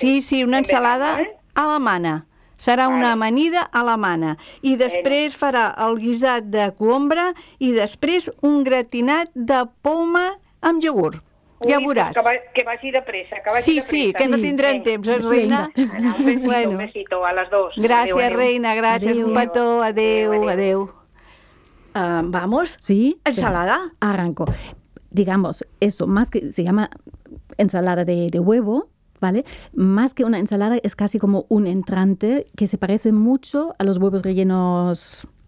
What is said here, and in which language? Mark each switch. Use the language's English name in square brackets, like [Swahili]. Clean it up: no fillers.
[Spanish] Sí, sí, una ensalada a la mana. [Catalan] Serà una amanida a la mana. I després bueno. Farà el guisat de cuombra i després un gratinat de poma amb iogurt. Ui, ja veuràs. [Spanish] Pues [Catalan] que vagi de pressa, que vagi sí, de pressa. Sí, sí, que no tindrem venga. Temps, eh, reina? [Spanish] Venga. Un besito, bueno. Un besito [Catalan] a les dues. Gràcies, adeu, reina, adeu. Gràcies, adeu. Un petó, adeu, adeu. [Spanish] Vamos? Sí. Ensalada? Arranco. Digamos, esto, más que se llama ensalada de huevo, ¿vale? Más que una ensalada, es casi como un entrante que se parece mucho a los huevos rellenos